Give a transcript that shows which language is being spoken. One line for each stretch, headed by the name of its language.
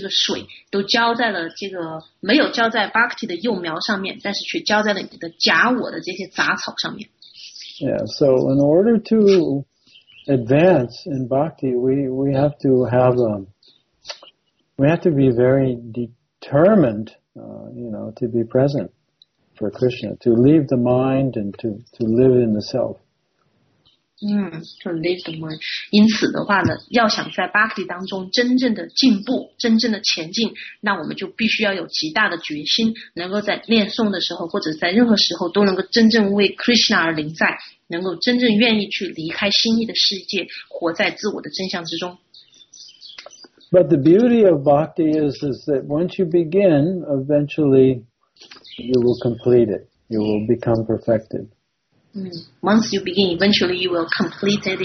Chinese: 或者说就是当你在念诵的时候，你就必须要为主的圣名在那一刻临在的那种状态，真正的去听到圣名的这样一种状态来念诵。那如果不是的话呢，那在走时候的时候，那只不过就是你把这个圣名念诵的这个水都浇在了这个没有浇在 bhakti 的幼苗上面，但是却浇在了你的假我的这些杂草上面。
English: Yeah, so in order to advance in bhakti, we have to be very determined, you know, to be present for Krishna, to leave the mind and to live in the self. To leave the mind.
Chinese: 因此的话呢，要想在 bhakti 当中真正的进步、真正的前进，那我们就必须要有极大的决心，能够在念诵的时候或者在任何时候都能够真正为 Krishna 而临在。能够真正愿意去离开心意的世界，活在自我的真相之中。
English: But the beauty of bhakti is that once you begin, eventually you will complete it. You will become perfected. Once you begin, eventually you will complete it.